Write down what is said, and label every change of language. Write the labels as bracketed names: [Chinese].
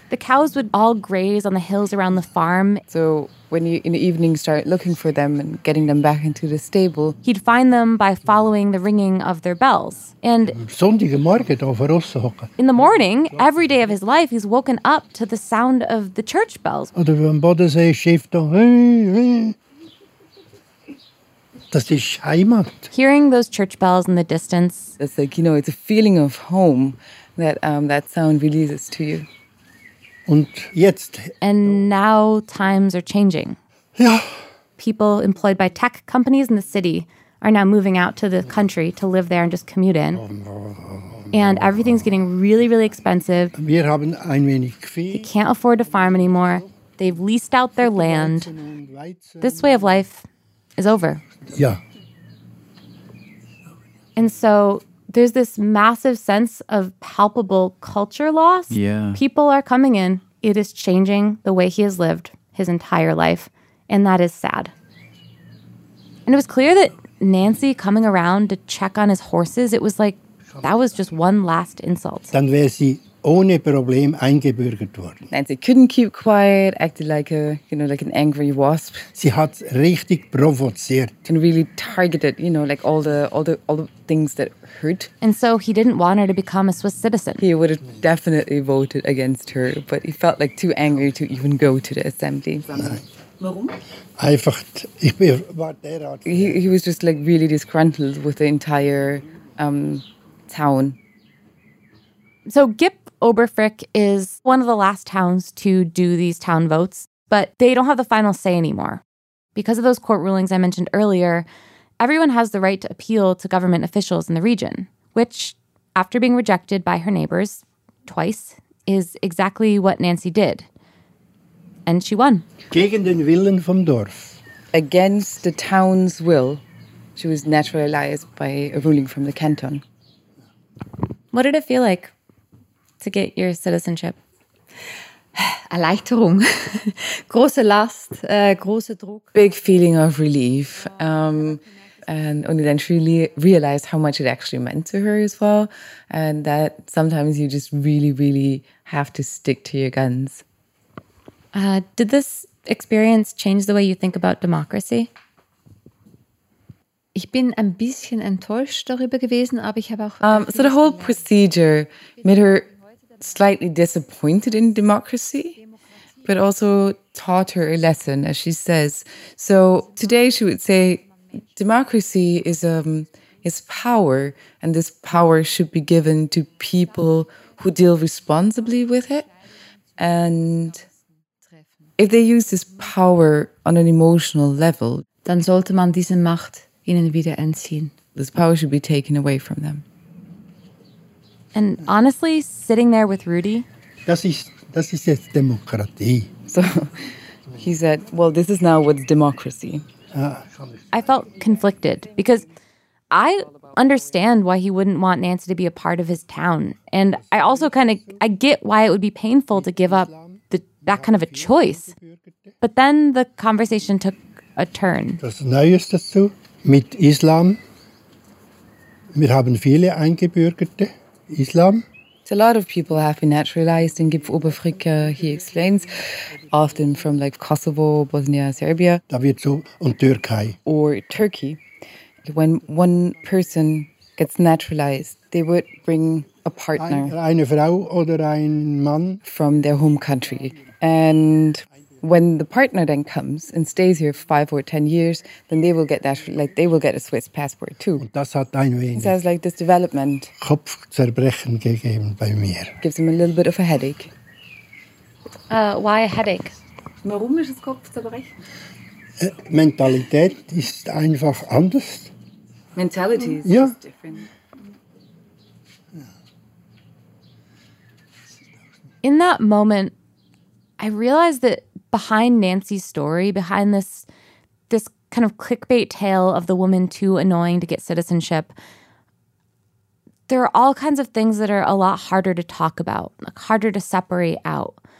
[English] The cows would all graze on the hills around the farm. So when you in the evening start looking for them and getting them back into the stable, he'd find them by following the ringing of their bells. And in the morning, every day of his life, he's woken up to the sound of the church bells. [German] Oder wenn Bode sei schäft, das ist Heimat. [English] Hearing those church bells in the distance, it's like, you know, it's a feeling of home that that sound releases to you. [German] Und jetzt. [English] And now times are changing. Yeah. People employed by tech companies in the city are now moving out to the country to live there and just commute in. And everything's getting really, really expensive. [German] Wir haben ein wenig Vieh. [English] They can't afford to farm anymore. They've leased out their land. This way of life is over. Yeah. And so there's this massive sense of palpable culture loss. Yeah. People are coming in. It is changing the way he has lived his entire life. And that is sad. And it was clear that Nancy coming around to check on his horses, it was like that was just one last insult. [German] Dann wäre sie ohne Problem eingebürgert worden. [English] Nancy couldn't keep quiet, acted like a, you know, like an angry wasp. [German] Sie hat richtig provoziert. [English] And really targeted, you know, like all the things that hurt. And so he didn't want her to become a Swiss citizen. He would have definitely voted against her, but he felt like too angry to even go to the assembly. He was just like really disgruntled with the entire town. So Gip Oberfrick is one of the last towns to do these town votes, but they don't have the final say anymore. Because of those court rulings I mentioned earlier, everyone has the right to appeal to government officials in the region, which, after being rejected by her neighbors twice, is exactly what Nancy did. And she won. [German] Gegen den Willen vom Dorf. [English] Against the town's will, she was naturalized by a ruling from the canton. What did it feel like to get your citizenship? [German] Erleichterung, große Last, große Druck. [English] Big feeling of relief. And then she realized how much it actually meant to her as well. And that sometimes you just really, really have to stick to your guns. Did this experience change the way you think about democracy? [German] Ich bin ein bisschen enttäuscht darüber gewesen, aber ich habe auch... [English] So the whole procedure made her slightly disappointed in democracy, but also taught her a lesson, as she says. So today she would say, democracy is power, and this power should be given to people who deal responsibly with it. And if they use this power on an emotional level, [German] dann sollte man diese Macht ihnen wieder entziehen. [English] This power should be taken away from them. And honestly, sitting there with Rudy, [German] das ist jetzt Demokratie. [English] So he said, well, this is now with democracy. I felt conflicted because I understand why he wouldn't want Nancy to be a part of his town. And I also kind of, I get why it would be painful to give up the, that kind of a choice. But then the conversation took a turn. [German] Das Neueste dazu, mit Islam, wir haben viele Eingebürgerte, Islam. [English] A lot of people have been naturalized in Gipfoberfrika, he explains, often from like Kosovo, Bosnia, Serbia. [German] Da wird so, und Türkei. [English] Or Turkey. When one person gets naturalized, they would bring a partner. [German] Eine Frau oder ein Mann. [English] From their home country. And when the partner then comes and stays here for 5 or 10 years, then they will get that, like they will get a Swiss passport too. [German] Und das hat ein wenig. [English] It says like this development. [German] Kopfzerbrechen gegeben bei mir. [English] Gives him a little bit of a headache. Why a headache? [German] Warum ist es Kopfzerbrechen? Mentalität ist einfach anders. [English] Mentality is just different. In that moment, I realized that behind Nancy's story, behind this kind of clickbait tale of the woman too annoying to get citizenship, there are all kinds of things that are a lot harder to talk about, like harder to separate out.